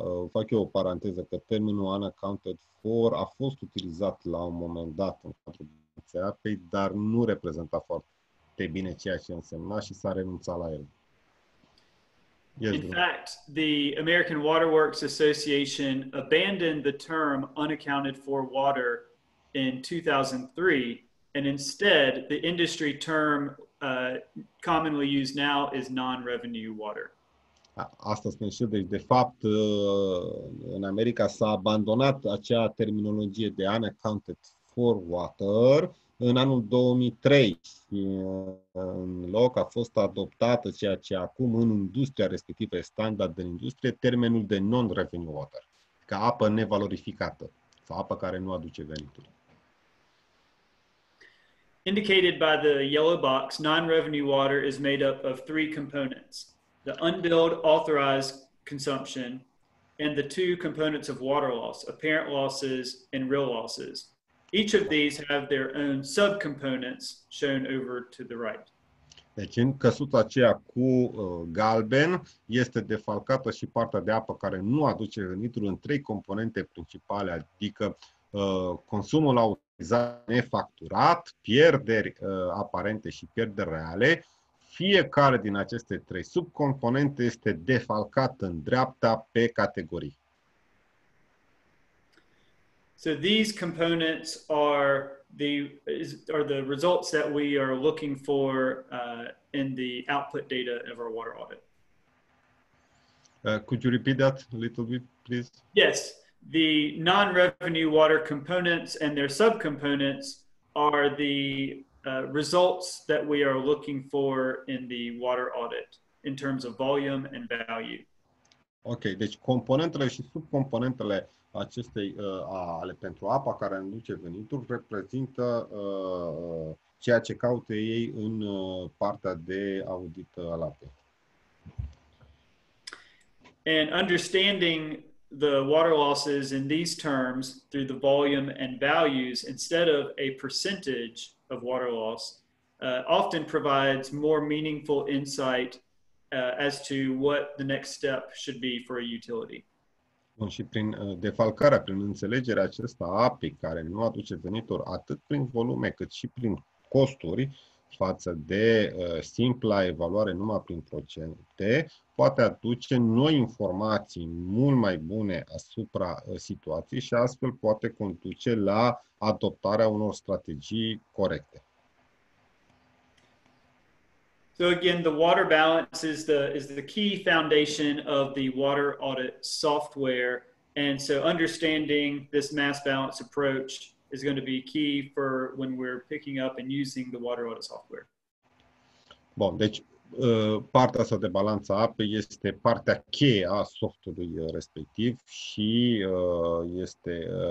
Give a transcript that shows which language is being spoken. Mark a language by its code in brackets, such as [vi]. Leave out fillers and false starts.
[ro] Fac eu o paranteză că termenul unaccounted for a fost utilizat la un moment dat în cadrul producției apei, dar nu reprezenta foarte bine ceea ce însemna și s-a renunțat la el. [en] Yes, in fact, the American Water Works Association abandoned the term unaccounted for water in 2003, and instead the industry term commonly used now is non-revenue water. [ro] Asta spune și eu. Deci, de fapt, în America s-a abandonat acea terminologie de unaccounted for water în anul 2003. În loc a fost adoptată ceea ce acum în industria respectivă e standard în industrie, termenul de non-revenue water, ca apă nevalorificată sau apă care nu aduce venituri. [en] Indicated by the yellow box, non-revenue water is made up of three components: the unbilled authorized consumption and the two components of water loss, apparent losses and real losses. Each of these have their own subcomponents shown over to the right. [ro] Deci în căsuța aceea cu galben este defalcată și partea de apă care nu aduce venituri în trei componente principale, adică consumul autorizat nefacturat, pierderi aparente și pierderi reale. Fiecare din aceste trei subcomponente este defalcat în dreapta pe categorii. [en] So these components are the results that we are looking for in the output data of our water audit. Could you repeat that a little bit, please? Yes, the non-revenue water components and their subcomponents are the results that we are looking for in the water audit in terms of volume and value. [ro] Ok, deci componentele și subcomponentele acestei ale pentru apa care aduce venituri reprezintă ceea ce caută ei în partea de audit al apei. [en] And understanding the water losses in these terms through the volume and values instead of a percentage of water loss often provides more meaningful insight as to what the next step should be for a utility. [ro] Bun, și prin defalcarea, prin înțelegerea acesta apei care nu aduce venituri atât prin volume cât și prin costuri față de simpla evaluare numai prin procente, poate aduce noi informații mult mai bune asupra situației și astfel poate conduce la adoptarea unor strategii corecte. [en] So again, the water balance is the key foundation of the water audit software. And so understanding this mass balance approach is going to be key for when we're picking up and using the water audit software. [ro] Bun, deci partea asta de balanță apei este partea cheie a software-ului respectiv și este...